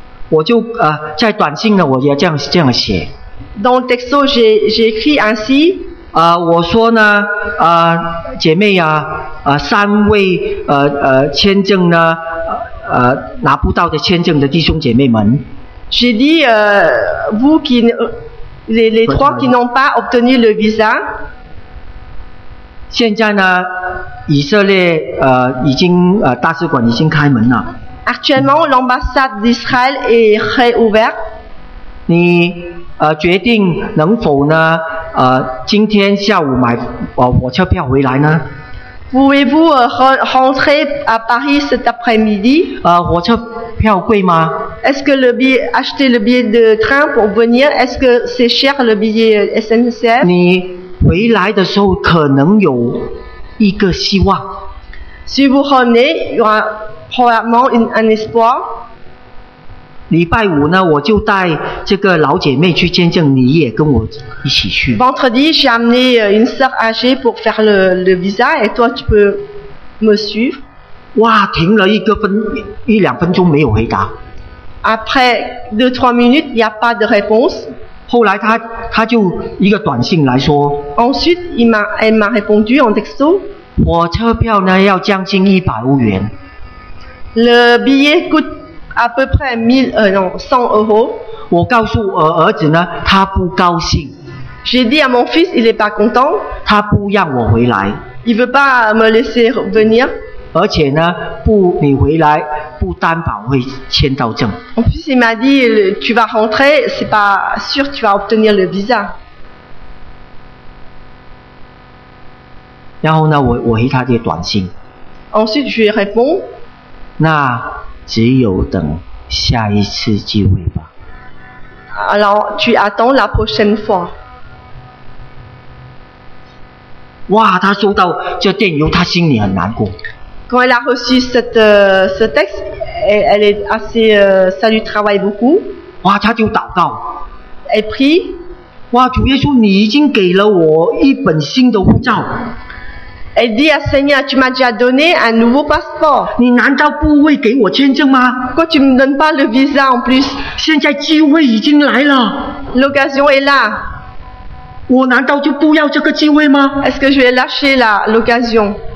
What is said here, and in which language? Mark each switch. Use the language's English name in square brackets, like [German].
[Chinese] 我就在短信呢，我也这样写。 [French] Dans le texto, j'ai écrit ainsi. [Chinese] 我说呢，姐妹呀，三位签证呢，拿不到的签证的弟兄姐妹们。 [French] J'ai dit vous qui Les trois qui n'ont pas obtenu le visa. [Chinese] 现在呢，以色列已经大使馆已经开门了。 [French] Actuellement, l'ambassade d'Israël est réouverte. [Chinese] 你决定能否呢？今天下午买火车票回来呢 [French] ？Pouvez-vous rentrer à Paris cet après-midi？ [Chinese] 火车票贵吗？ [French] Est-ce que acheter le billet de train pour venir, est-ce que c'est cher le billet SNCF? [Chinese] 你回来的时候可能有一个希望。 [French] Si vous revenez, il y aura probablement un espoir. [Chinese] 礼拜五呢，我就带这个老姐妹去见证，你也跟我一起去。 [French] Vendredi, j'ai amené une sœur âgée pour faire le visa et toi, tu peux me suivre. [Chinese] 哇，停了一两分钟没有回答。 [French] Après 2-3 minutes, il n'y a pas de réponse. [Chinese] 后来他就一个短信来说。 [French] Ensuite, elle m'a répondu en texto. [Chinese] 火车票呢要将近100欧元。 [French] Le billet coûte à peu près 100 euros. [Chinese] 我告诉儿子呢，他不高兴。 [French] J'ai dit à mon fils, il n'est pas content. [Chinese] 他不让我回来。 [French] Il ne veut pas me laisser venir. [Chinese] 而且呢，不，你回来不担保会签到证。 [French] En plus, il m'a dit, tu vas rentrer, c'est pas sûr tu vas obtenir le visa. [Chinese] 然后呢，我回他的短信。 [French] Ensuite, je réponds. [Chinese] 那只有等下一次机会吧。 [French] Alors, tu attends la prochaine fois. [Chinese] 哇，他收到这电邮，他心里很难过。 [French] Quand elle a reçu ce texte, elle est assez, ça lui travaille beaucoup. [Chinese] 哇，她就祷告。 [French] Elle prie. [Chinese] 哇，主耶稣，你已经给了我一本新的护照。 [French] Elle dit à Seigneur, tu m'as déjà donné un nouveau passeport. [Chinese] 你难道不会给我签证吗？ [French] Pourquoi tu me donnes pas le visa en plus? [Chinese] 现在机会已经来了。 [French] L'occasion est là. [Chinese] 我难道就不要这个机会吗？ [French] Est-ce que je vais lâcher l'occasion?